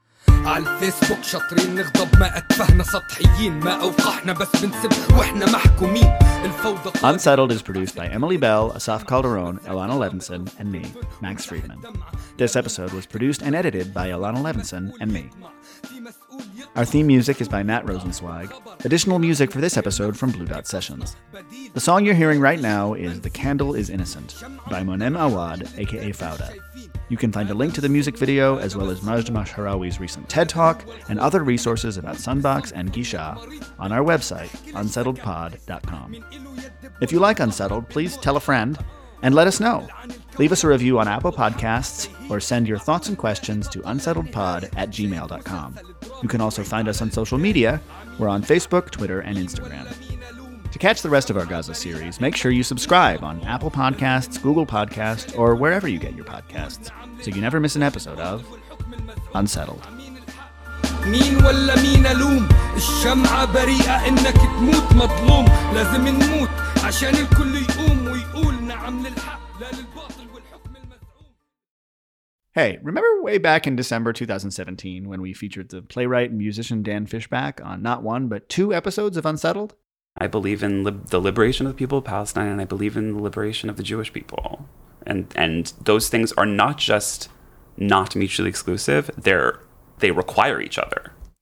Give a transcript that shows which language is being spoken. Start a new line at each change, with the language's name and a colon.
Arabic: على الفيسبوك شاطرين نغضب ما اتفهنا سطحيين ما اوقحنا بس بنسب واحنا محكومين الفوضى.
English: Unsettled is produced by Emily Bell, Asaf Calderon, Elana Levinson, and me, Max Friedman. This episode was produced and edited by Elana Levinson and me. Our theme music is by Matt Rosenzweig. Additional music for this episode from Blue Dot Sessions. The song you're hearing right now is The Candle is Innocent by Monem Awad, aka Fauda. You can find a link to the music video, as well as Majma Sharawi's recent TED Talk and other resources about Sunbox and Gisha on our website, unsettledpod.com. If you like Unsettled, please tell a friend and let us know. Leave us a review on Apple Podcasts or send your thoughts and questions to unsettledpod@gmail.com. You can also find us on social media. We're on Facebook, Twitter, and Instagram. To catch the rest of our Gaza series, make sure you subscribe on Apple Podcasts, Google Podcasts, or wherever you get your podcasts, so you never miss an episode of Unsettled.
Arabic: مين ولا مين الوم الشمعة بريئة انك تموت مظلوم لازم نموت عشان الكل يقوم ويقول نعم للحق لا للباطل والحكم المزعوم.
English: Hey, remember way back in December 2017 when we featured the playwright and musician Dan Fishback on not one but two episodes of Unsettled? I believe in the liberation of the people of Palestine, and I believe in the liberation of the Jewish people. And those things are not just not mutually exclusive, they require each other.